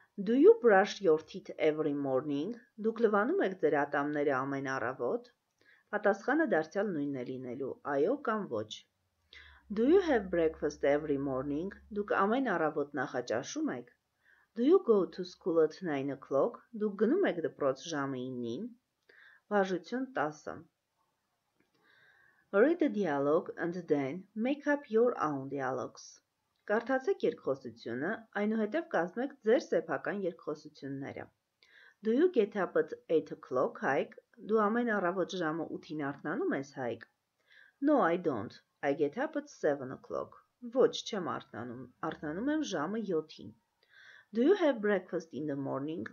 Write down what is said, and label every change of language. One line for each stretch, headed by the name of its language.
English: Do you brush your teeth every morning?
Armenian: Դուք լվանում եք ձեր ատամները ամեն առավոտ? Պատասխանը դարձյալ նույնն է լինելու, այո կամ ոչ։
English: Do you have breakfast every morning?
Armenian: Դուք ամեն առավոտ նախաճաշում եք?
English: Do you go to school at 9 o'clock?
Armenian: Դուք գնում եք դպրոց ժամը 9-ին? Վարժություն 10.
English: Read the dialogue and then make up your own dialogues.
Armenian: Կարդացեք երկխոսությունը, այնուհետև կազմեք ձեր սեփական երկխոսությունները։
English: Do you get up at 8 o'clock,
Armenian: Հայկ? Դու ամեն առավոտ ժամը 8-ին արթնանում ես, Հայկ?
English: No, I don't. I get up at 7 o'clock.
Armenian: Ոչ, չեմ արթնանում, արթնանում եմ ժամը 7-ին։
English: Do you have breakfast in the morning?